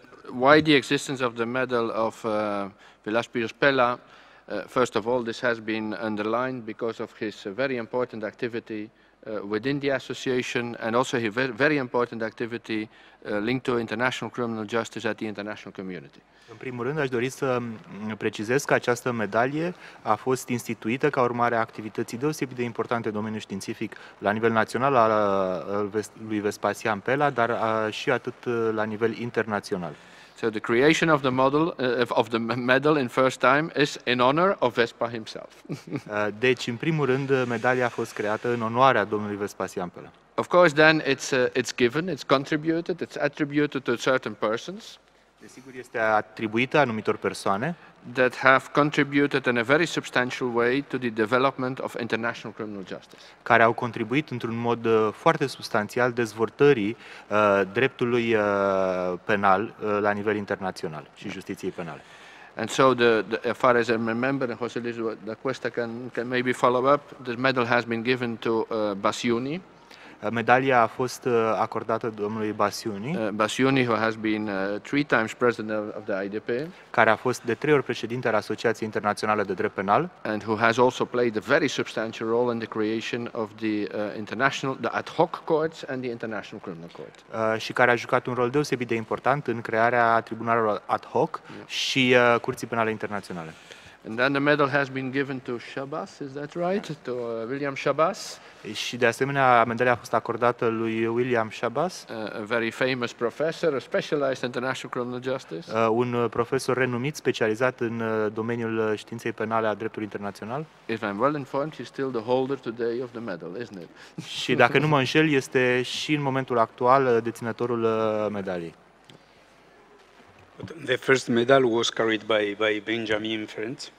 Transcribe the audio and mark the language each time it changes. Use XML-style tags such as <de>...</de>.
<en>Why the existence of the medal of Vilas Pius Pella? First of all, this has been underlined because of his very important activity within the association, and also a very important activity linked to international criminal justice at the international community.</en> <ro>În primul rând, aș dori să precizez că această medalie a fost instituită ca urmare a activității deosebit de importante în domeniul științific la nivel național al lui Vespasian Pella, dar și atât la nivel internațional.</ro> <en>So the creation of the model of the medal in first time is in honor of Vespa himself.</en> <ro>Deci în primul rând medalia a fost creată în onoarea domnului Vespasian Pella.</ro> <en>Of course then it's given, it's contributed, it's attributed to certain persons.</en> <ro>Desigur este atribuită anumitor persoane</ro> <en>that have contributed in a very substantial way to the development of international criminal justice.</en> <ro>Care au contribuit într-un mod foarte substanțial dezvoltării dreptului penal la nivel internațional și justiției penale.</ro> <en>And so as far as I remember, José Luis da Cuesta can maybe follow up, the medal has been given to Basiuni.</en> <ro>Medalia a fost acordată domnului Basiuni.</ro> <en>Basiuni, who has been three times president of the IDP,</en> <ro>care a fost de trei ori președinte al Asociației Internaționale de Drept Penal,</ro> <en>and who has also played a very substantial role in the creation of the international, the ad hoc courts and the international criminal court.</en> <ro>Și care a jucat un rol deosebit de important în crearea tribunalelor ad hoc și curții penale internaționale.</ro> <en>And then the medal has been given to Shabazz, is that right? To William Shabazz.</en> <ro>Și de asemenea, medalia a fost acordată lui William Shabazz,</ro> <en>a very famous professor, a specialized in international criminal justice.</en> <ro>Un profesor renumit specializat în domeniul științei penale a dreptului internațional.</ro> <en>If I'm well informed, he's still the holder today of the medal, isn't it?</en> <ro>Și dacă nu mă înșel, este și în momentul actual deținătorul medaliei.</ro> <en>The first medal was carried by Benjamin Ferenc.</en>